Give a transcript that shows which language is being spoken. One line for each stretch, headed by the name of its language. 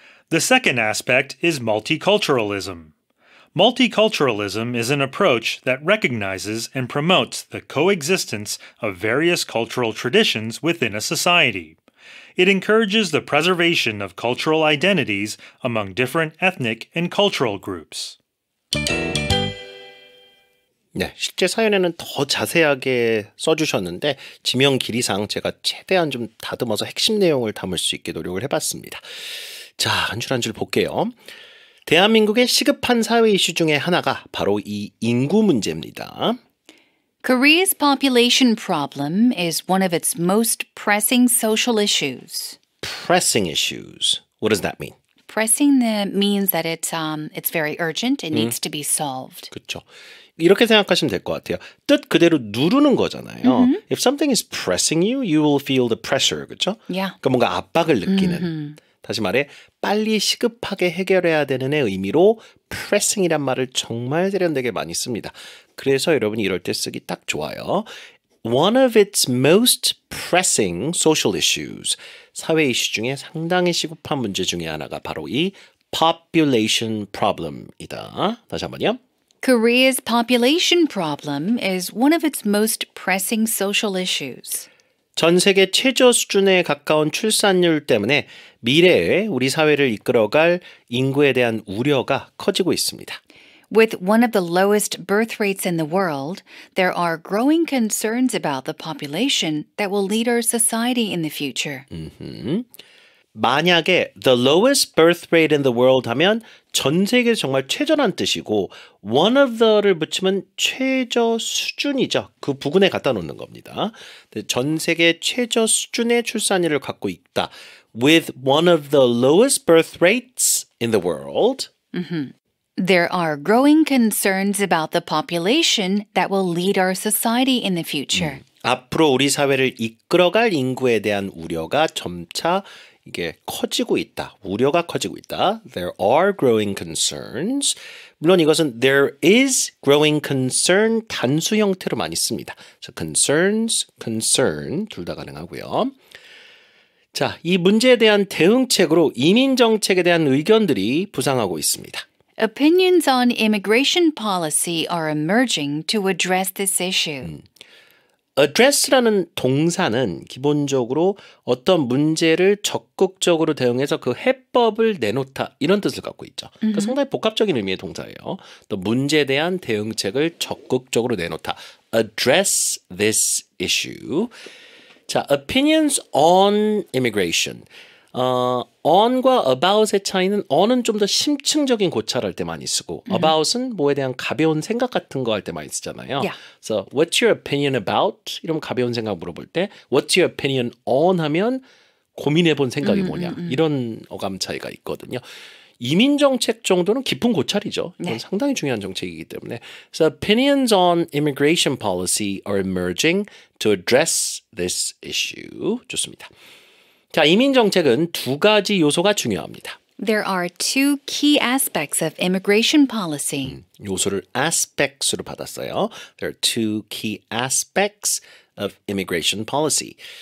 English: The second aspect is multiculturalism. Multiculturalism is an approach that recognizes and promotes the coexistence of various cultural traditions within a society. It encourages the preservation of cultural identities among different ethnic and cultural groups.
Korean: 네, 실제 사연에는 더 자세하게 써주셨는데 지명 길이상 제가 최대한 좀 다듬어서 핵심 내용을 담을 수 있게 노력을 해봤습니다. 자, 한 줄 한 줄 볼게요. 대한민국의 시급한 사회 이슈 중에 하나가 바로 이 인구 문제입니다.
English: Korea's population problem is one of its most pressing social issues. Pressing issues. What does that mean? Pressing means that it's very urgent. It needs to be solved.
Korean: 그렇죠. 이렇게 생각하시면 될 것 같아요. 뜻 그대로 누르는 거잖아요. Mm-hmm.
English: If something is pressing you, you will feel the pressure.
Korean: 그렇죠?
English: Yeah.
Korean: 그러니까 뭔가 압박을 느끼는. Mm-hmm. 다시 말해, 빨리 시급하게 해결해야 되는 의미로 pressing이란 말을 정말 세련되게 많이 씁니다. 그래서 여러분이 이럴 때 쓰기 딱 좋아요.
English: One of its most pressing social issues.
Korean: 사회 이슈 중에 상당히 시급한 문제 중에 하나가 바로 이
English: population problem
Korean: 이다. 다시 한번요.
English: Korea's population problem is one of its most pressing social issues.
Korean: 전 세계 최저 수준에 가까운 출산율 때문에 미래에 우리 사회를 이끌어갈 인구에 대한 우려가 커지고 있습니다.
English: With one of the lowest birth rates in the world, there are growing concerns about the population that will lead our society in the future.
Korean: 만약에
English: the lowest birth rate in the world
Korean: 하면 전 세계에서 정말 최저란 뜻이고
English: one of the
Korean: 를 붙이면 최저 수준이죠. 그 부근에 갖다 놓는 겁니다. 전 세계 최저 수준의 출산율을 갖고 있다.
English: With one of the lowest birth rates in the world. Mm-hmm. There are growing concerns about the population that will lead our society in the future.
Korean: 앞으로 우리 사회를 이끌어갈 인구에 대한 우려가 점차 이게 커지고 있다. 우려가 커지고 있다.
English: There are growing concerns.
Korean: 물론 이것은
English: there is growing concern
Korean: 단수 형태로 많이 씁니다.
English: So concerns, concern
Korean: 둘 다 가능하고요. 자, 이 문제에 대한 대응책으로 이민 정책에 대한 의견들이 부상하고 있습니다.
English: Opinions on immigration policy are emerging to address this issue.
Korean: Address라는 동사는 기본적으로 어떤 문제를 적극적으로 대응해서 그 해법을 내놓다 이런 뜻을 갖고 있죠. 그러니까 상당히 복합적인 의미의 동사예요. 또 문제에 대한 대응책을 적극적으로 내놓다.
English: Address this issue.
Korean: 자,
English: opinions on immigration.
Korean: on과 about의 차이는 on은 좀 더 심층적인 고찰할 때 많이 쓰고 about은 뭐에 대한 가벼운 생각 같은 거 할 때 많이 쓰잖아요.
English: Yeah. So what's your opinion about?
Korean: 이런 가벼운 생각 물어볼 때
English: what's your opinion on
Korean: 하면 고민해본 생각이 뭐냐 이런 어감 차이가 있거든요. 이민 정책 정도는 깊은 고찰이죠. 이건 네. 상당히 중요한 정책이기 때문에.
English: So opinions on immigration policy are emerging to address this issue.
Korean: 좋습니다. 자, 이민 정책은 두 가지 요소가 중요합니다.
English: There are two key aspects of immigration policy.
Korean: 요소를 aspects로 받았어요.
English: There are two key aspects of immigration policy.